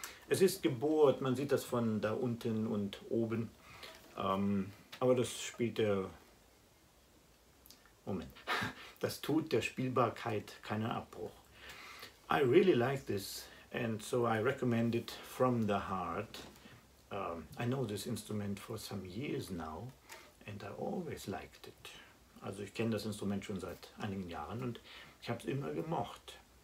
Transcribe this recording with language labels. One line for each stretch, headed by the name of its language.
German: Es ist gebohrt, man sieht das von da unten und oben, aber das spielt der Moment, das tut der Spielbarkeit keinen Abbruch.
English: I really like this and so I recommend it from the heart. I know this instrument for some years now and I always liked it.
German: Also ich kenne das Instrument schon seit einigen Jahren und ich habe es immer gemocht.